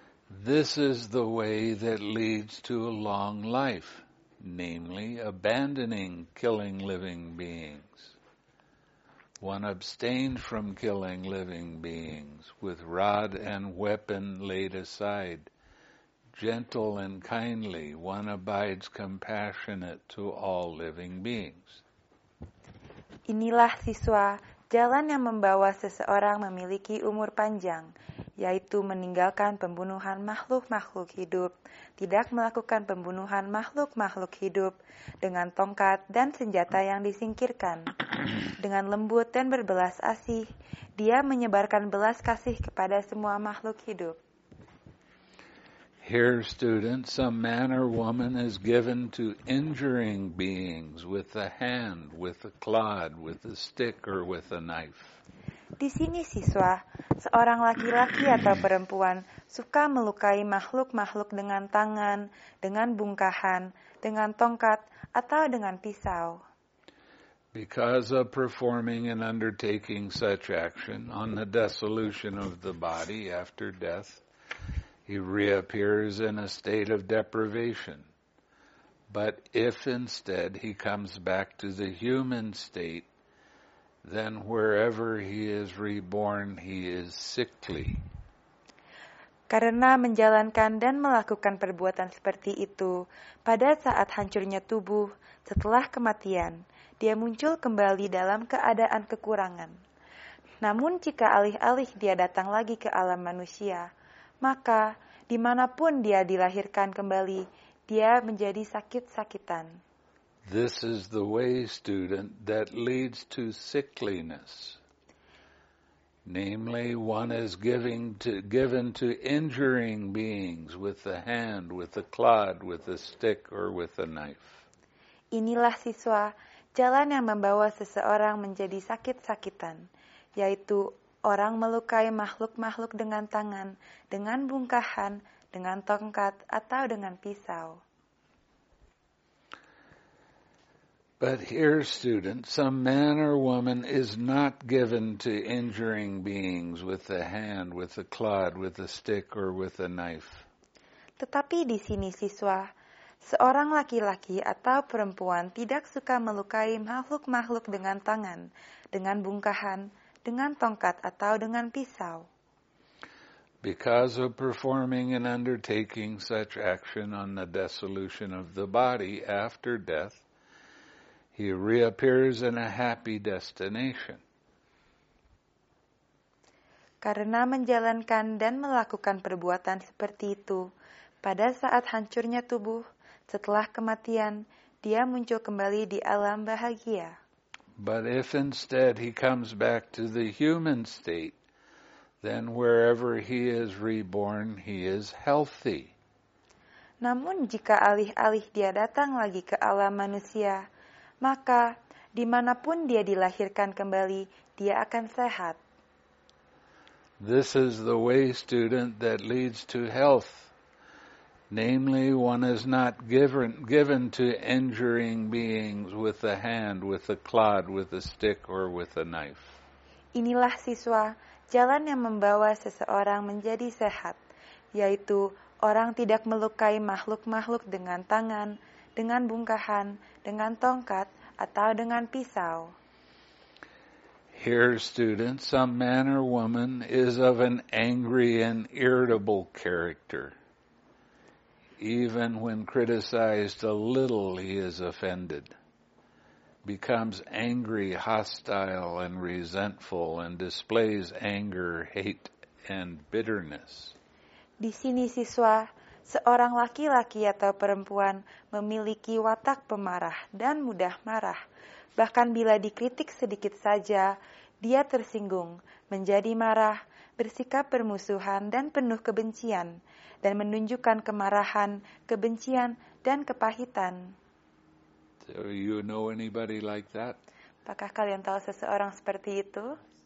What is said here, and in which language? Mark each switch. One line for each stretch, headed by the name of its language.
English: This is the way that leads to a long life, namely abandoning killing living beings. One abstains from killing living beings with rod and weapon laid aside. Gentle and kindly, one abides compassionate to all living beings.
Indonesian: Inilah, siswa, jalan yang membawa seseorang memiliki umur panjang, yaitu meninggalkan pembunuhan makhluk-makhluk hidup, tidak melakukan pembunuhan makhluk-makhluk hidup dengan tongkat dan senjata yang disingkirkan. Dengan lembut dan berbelas asih, dia menyebarkan belas kasih kepada semua makhluk hidup.
English: Here, student, some man or woman is given to injuring beings with the hand, with the clod, with the stick, or with a knife.
Indonesian: Di sini, siswa, seorang laki-laki atau perempuan suka melukai makhluk-makhluk dengan tangan, dengan bungkahan, dengan tongkat, atau dengan pisau.
English: Because of performing and undertaking such action on the dissolution of the body after death, he reappears in a state of deprivation. But if instead he comes back to the human state, then wherever he is reborn, he is sickly.
Indonesian: Karena menjalankan dan melakukan perbuatan seperti itu, pada saat hancurnya tubuh, setelah kematian, dia muncul kembali dalam keadaan kekurangan. Namun jika alih-alih dia datang lagi ke alam manusia, maka dimanapun dia dilahirkan kembali, dia menjadi sakit-sakitan.
English: This is the way, student, that leads to sickliness. Namely, one is given to injuring beings with the hand, with the clod, with the stick, or with a knife.
Indonesian: Inilah, siswa, jalan yang membawa seseorang menjadi sakit-sakitan, yaitu orang melukai makhluk-makhluk dengan tangan, dengan bungkahan, dengan tongkat, atau dengan pisau.
English: But here, student, some man or woman is not given to injuring beings with the hand, with the clod, with the stick, or with a knife.
Indonesian: Tetapi di sini, siswa, seorang laki-laki atau perempuan tidak suka melukai makhluk-makhluk dengan tangan, dengan bungkahan, dengan tongkat, atau dengan pisau.
English: Because of performing and undertaking such action on the dissolution of the body after death, he reappears in a happy destination.
Indonesian: Karena menjalankan dan melakukan perbuatan seperti itu, pada saat hancurnya tubuh, setelah kematian, dia muncul kembali di alam bahagia.
English: But if instead he comes back to the human state, then wherever he is reborn, he is healthy.
Indonesian: Namun jika alih-alih dia datang lagi ke alam manusia, maka dimanapun dia dilahirkan kembali, dia akan sehat.
English: This is the way, student, that leads to health. Namely, one is not given to injuring beings with the hand, with the clod, with the stick, or with a knife.
Indonesian: Inilah, siswa, jalan yang membawa seseorang menjadi sehat, yaitu orang tidak melukai makhluk-makhluk dengan tangan, dengan bungkahan, dengan tongkat, atau dengan pisau.
English: Here, student, some man or woman is of an angry and irritable character. Even when criticized a little, he is offended, becomes angry, hostile, and resentful, and displays anger, hate, and bitterness.
Indonesian: Di sini, siswa, seorang laki-laki atau perempuan memiliki watak pemarah dan mudah marah. Bahkan bila dikritik sedikit saja, dia tersinggung, menjadi marah, bersikap permusuhan dan penuh kebencian, dan menunjukkan kemarahan, kebencian, dan kepahitan.
English: Do you know anybody like that?
Indonesian: Apakah kalian tahu seseorang seperti itu?